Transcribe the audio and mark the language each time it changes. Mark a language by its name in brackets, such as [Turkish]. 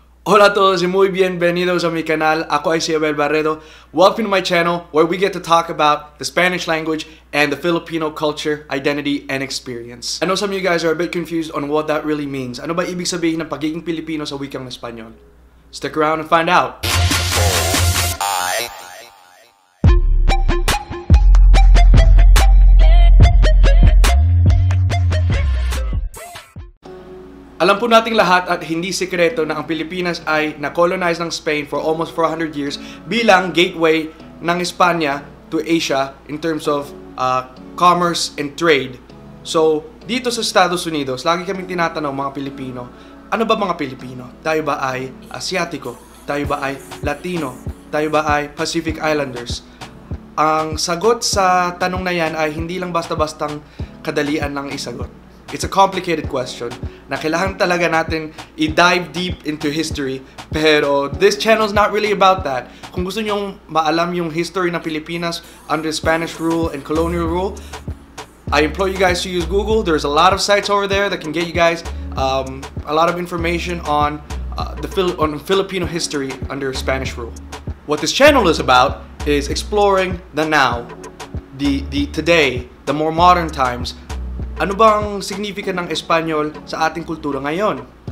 [Spanish] Hola a todos y muy bienvenidos a mi canal. Aquí es Abel Barredo. [English] Welcome to my channel where we get to talk about the Spanish language and the Filipino culture, identity, and experience. I know some of you guys are a bit confused on what that really means. [Filipino] Ano ba ibig sabihin ng pagiging Pilipino sa wikang Espanyol? [English] Stick around and find out. [Filipino] Alam po nating lahat at hindi sikreto na ang Pilipinas ay na-colonize ng Spain [English] for almost 400 years [Filipino] bilang gateway ng Espanya [English] to Asia in terms of commerce and trade. [Filipino] So, dito sa Estados Unidos, lagi kaming tinatanong mga Pilipino, ano ba mga Pilipino? Tayo ba ay Asiatico? Tayo ba ay Latino? Tayo ba ay Pacific Islanders? Ang sagot sa tanong na yan ay hindi lang basta-bastang kadalian lang isagot. [English] It's a complicated question [Filipino] na kailangan talaga natin [English] i-dive deep into history, pero this channel's not really about that. [Filipino] Kung gusto nyong maalam yung history ng Pilipinas [English] under Spanish rule and colonial rule, I implore you guys to use Google. There's a lot of sites over there that can get you guys a lot of information on Filipino history under Spanish rule. What this channel is about is exploring the now, the today, the more modern times. [Filipino] Ano bang significant ng Espanyol sa ating kultura ngayon?